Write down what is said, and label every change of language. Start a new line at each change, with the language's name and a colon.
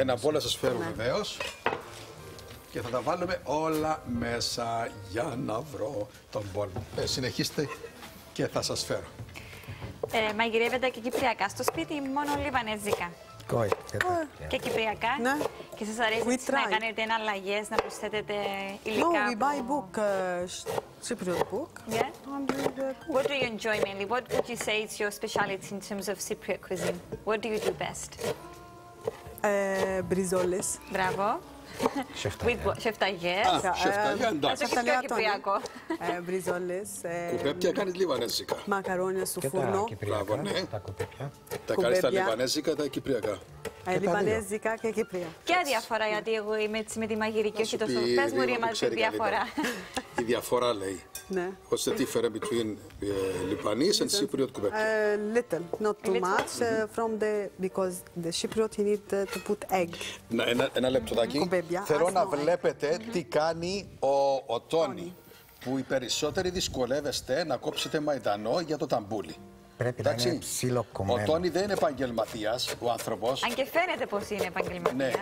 Greek: Έναν μπολ να σας φέρω βεβαίως. Και θα τα βάλουμε όλα μέσα για να βρω τον μπολ. Συνεχίστε και θα σας φέρω. Μαγειρεύετε και κυπριακά στο σπίτι ή μόνο λιβανέζικα? Κόι. Και κυπριακά. Ναι. Και σας αρέσει να κάνετε εναλλαγές, να προσθέτετε υλικά?
English: No, we buy book, Cypriot book. Yeah. And cook. What do you enjoy mainly? What would you say is your speciality in terms of Cypriot cuisine? What do you do best?
Greek: Μπριζόλες. Μπράβο. Σεφταγιές. Σεφταγιές. Σεφταγιά, εντάξει. Θα το πιο κυπριακό. Μπριζόλες. Κουπέπια κάνεις λιβανέζικα. Μακαρόνια στο φούρνο. Και τα κυπριακά. Μπράβο, ναι. Τα κουπέπια. Τα κάνεις τα λιβανέζικα, τα κυπριακά. Λιβανέζικα και κυπρία. Ποια διαφορά, γιατί εγώ είμαι έτσι με τη μαγειρική, όχι τόσο. Πες μου, ρίμα, τη διαφορά. Η διαφορά, λέει. Ναι.
English: What's the difference between Lebanese and Cypriot Quebec? Little, not too much, from the, because the Cypriot need to put egg.
Greek: Να, ένα λεπτοδάκι. Θέλω να βλέπετε τι κάνει ο Τόνι, που οι περισσότεροι δυσκολεύεστε να κόψετε μαϊντανό για το ταμπούλι. Πρέπει, εντάξει, να είναι ψιλοκομμένο. Ο Τόνι δεν είναι επαγγελματίας ο άνθρωπος. Αν και φαίνεται πως είναι επαγγελματίας.